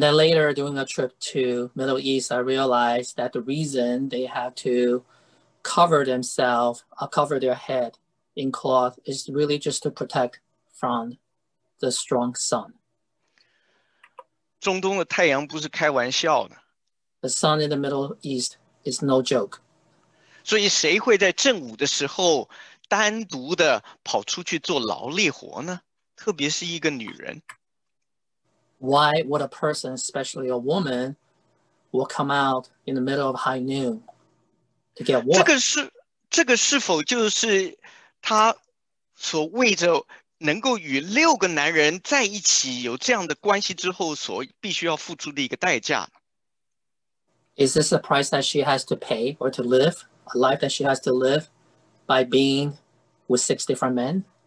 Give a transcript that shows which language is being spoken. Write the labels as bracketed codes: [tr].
[en] then later, during a trip to Middle East, I realized that the reason they had to cover themselves, cover their head in cloth, is really just to protect from the strong sun. [zh] 中东的太阳不是开玩笑的。 [en] The sun in the Middle East is no joke. [zh] 所以谁会在正午的时候单独的跑出去做劳力活呢？特别是一个女人。 [en] Why would a person, especially a woman, will come out in the middle of high noon to get water? [zh] 这个是否就是她所谓着 能够与六个男人在一起有这样的关系之后所必须要付出的一个代价。 [en] Is this a price that she has to pay or to live? A life that she has to live by being with six different men?